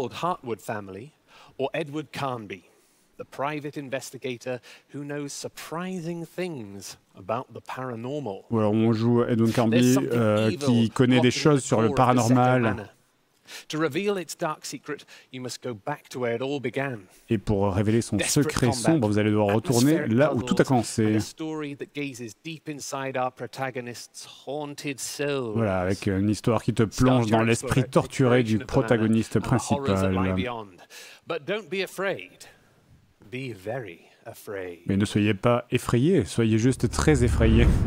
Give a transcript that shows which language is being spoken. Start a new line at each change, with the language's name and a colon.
English: Hartwood family or Edward Carnby, the private investigator who knows surprising things about the paranormal.
French: Alors, on joue Edward Carnby qui connaît des choses sur le paranormal.
English: To reveal its dark secret, you must go back to where it all began.
French: Et pour révéler son secret sombre, vous allez devoir retourner là où tout a commencé.
English: A story that gazes deep inside our protagonist's haunted soul.
French: Voilà, avec une histoire qui te plonge dans l'esprit torturé du protagoniste principal.
English: But don't be afraid. Be very afraid.
French: Mais ne soyez pas effrayés, soyez juste très effrayés.